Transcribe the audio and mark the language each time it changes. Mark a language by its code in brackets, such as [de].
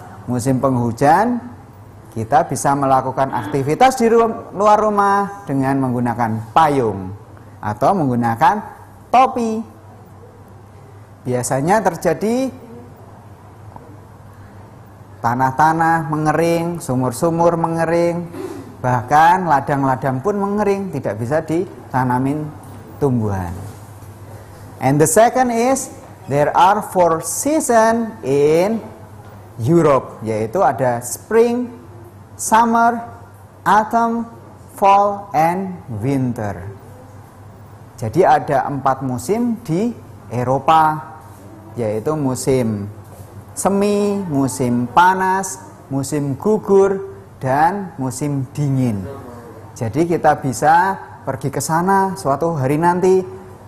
[id] Musim penghujan, kita bisa melakukan aktivitas di luar rumah dengan menggunakan payung atau menggunakan topi. Biasanya terjadi tanah-tanah mengering, sumur-sumur mengering, bahkan ladang-ladang pun mengering, tidak bisa ditanamin tumbuhan. [en] And the second is, there are four seasons in Europe, [id] yaitu ada [en] spring, summer, autumn, fall, and winter. [id] Jadi ada empat musim di Eropa, yaitu musim semi, musim panas, musim gugur, dan musim dingin. Jadi kita bisa pergi ke sana suatu hari nanti.